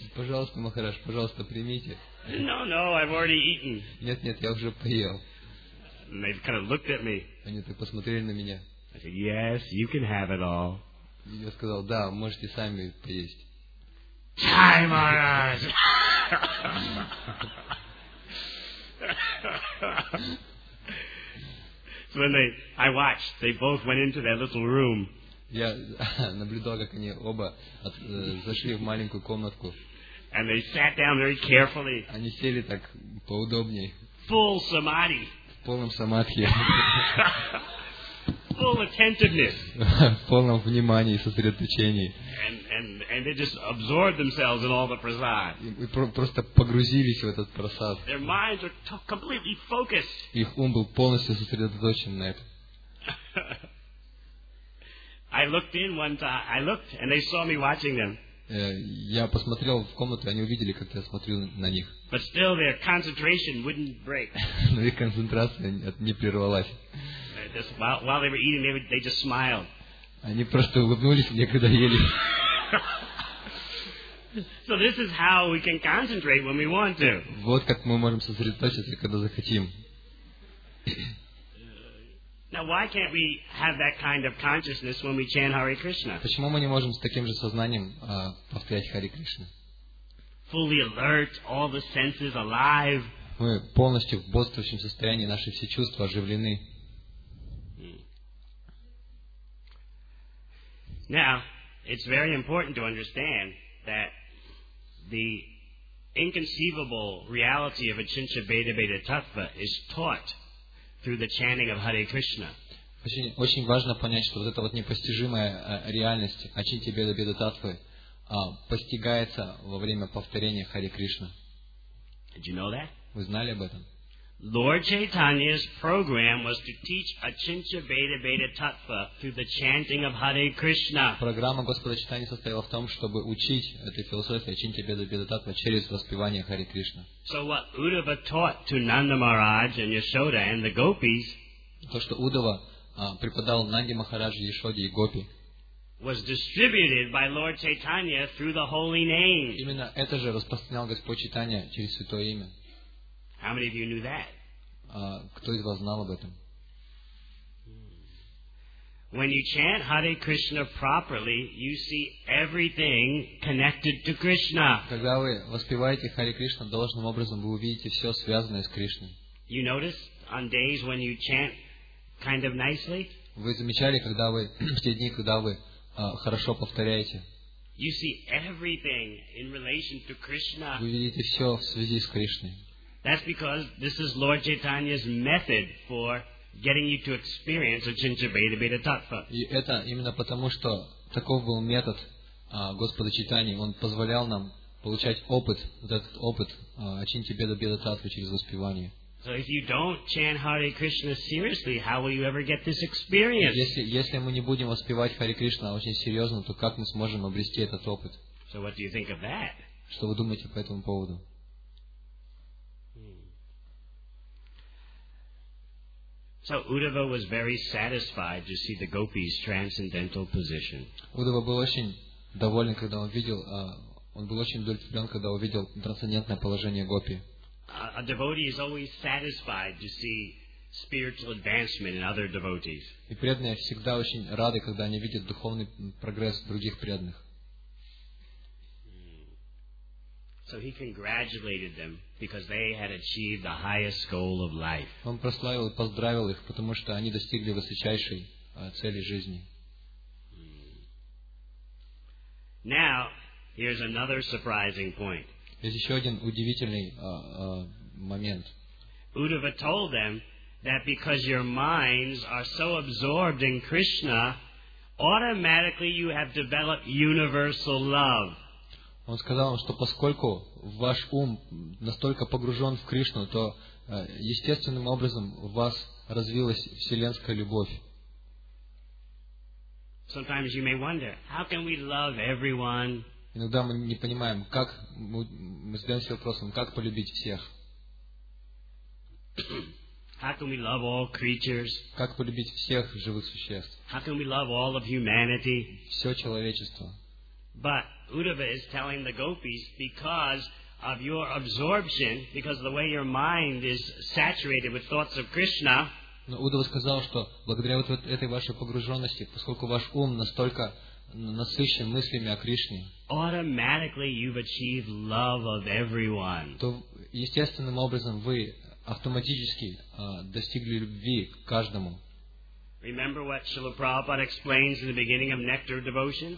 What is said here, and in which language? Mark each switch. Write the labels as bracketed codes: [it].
[ru] Пожалуйста, Махарадж, пожалуйста, примите. [en] No, no, I've already eaten. [ru] Нет, нет, я уже поел. [en] And they kind of looked at me. [ru] Они так посмотрели на меня. [en] I said, yes, you can have it all. [ru] Я сказал, да, можете сами поесть. [en] Hi, Maharaj. So when they, I watched, they both went into their little room. [ru] Я наблюдал, как они оба зашли в маленькую комнатку. [en] And they sat down very carefully. [ru] Они сели так поудобнее. [en] Full samadhi. [ru] В полном самадхи. [en] Full attentiveness. [ru] В полном внимании и сосредоточении. [en] And they just absorbed themselves in all the prasad. [ru] И просто погрузились в этот прасад. [en] Their minds were completely focused. [ru] Их ум был полностью сосредоточен на этом. [en] I looked in one time. I looked, and they saw me watching them. [ru] Я посмотрел в комнату, они увидели, как я смотрю на них. [en] But still, their concentration wouldn't break. [ru] Но их концентрация не прервалась. [en] While they were eating, they just smiled. [ru] Они просто улыбнулись мне, когда ели. [en] So this is how we can concentrate when we want to. [ru] Вот как мы можем сосредоточиться, когда захотим. [en] Now why can't we have that kind of consciousness when we chant Hare Krishna? [ru] Почему мы не можем с таким же сознанием повторять Харе Кришна? [en] Fully alert, all the senses alive. [ru] Мы полностью в бодрствующем состоянии, наши все чувства оживлены. [en] Now, it's very important to understand that the inconceivable reality of Achintya Bheda Bheda Tattva is taught through the chanting of Hare Krishna. [ru] Очень важно понять, что вот эта вот непостижимая реальность Ачинтья Бхеда Бхеда Таттвы постигается во время повторения Харе Кришна. [en] Did you know that? [ru] Вы знали об этом? [en] Lord Chaitanya's program was to teach Ачинтья Бхеда Бхеда Таттва through the chanting of Hare Krishna. [ru] Программа Господа Чайтаньи состояла в том, чтобы учить этой философии Ачинтья Бхеда Бхеда Таттва через воспевание Харе Кришна. [en] So what Uddhava taught to Nanda Maharaj and Yashoda and the gopis, [ru] то, что Удава преподал Нанде Махараджи, Яшоде и Гопи, [en] was distributed by Lord Chaitanya through the holy name. [ru] Именно это же распространял Господь Чайтанья через святое имя. [en] How many of you knew that? [ru] Кто из вас знал об этом? [en] When you chant Hare Krishna properly, you see everything connected to Krishna. [ru] Когда вы воспеваете Харе Кришна должным образом, вы увидите все связанное с Кришной. [en] You notice on days when you chant kind of nicely? [ru] Вы замечали, когда вы в те дни, когда вы хорошо повторяете? [en] You see everything in relation to Krishna. [ru] Вы видите все в связи с Кришной. [en] That's because this is Lord Chaitanya's method for getting you to experience Achintya Bheda Bheda Tattva. [ru] И это именно потому, что таков был метод Господа Чайтаньи. Он позволял нам получать опыт, вот этот опыт Ачинтья Бхеда Бхеда Таттвы через воспевание. [en] So if you don't chant Hare Krishna seriously, how will you ever get this experience? [ru] Если мы не будем воспевать Харе Кришна очень серьезно, то как мы сможем обрести этот опыт? [en] So what do you think of that? [ru] Что вы думаете по этому поводу? [en] So Uddhava was very satisfied to see the gopis' transcendental position. [ru] Uddhava был очень доволен, когда он видел, он был очень удовлетворен, когда увидел трансцендентное положение гопи. [en] A devotee is always satisfied to see spiritual advancement in other devotees. [ru] И преданные всегда очень рады, когда они видят духовный прогресс других преданных. [en] So he congratulated them because they had achieved the highest goal of life. [ru] Он прославил и поздравил их, потому что они достигли высочайшей цели жизни. [en] Now, here's another surprising point. [ru] Есть еще один удивительный момент. [en] Uddhava told them that because your minds are so absorbed in Krishna, automatically you have developed universal love. [ru] Он сказал вам, что поскольку ваш ум настолько погружен в Кришну, то естественным образом в вас развилась вселенская любовь. Иногда мы не понимаем, как мы задаемся вопросом, как полюбить всех. [en] How can we love all creatures? [ru] Как полюбить всех живых существ? [en] How can we love all of humanity? [ru] Все человечество. [en] But Uddhava is telling the gopis, because of your absorption, because of the way your mind is saturated with thoughts of Krishna. [ru] Но Уддхава сказал, что благодаря вот этой вашей погруженности, поскольку ваш ум настолько насыщен мыслями о Кришне, [en] automatically you've achieved love of everyone. [ru] То естественным образом вы автоматически достигли любви к каждому. [en] Remember what Srila Prabhupada explains in the beginning of Nectar of Devotion?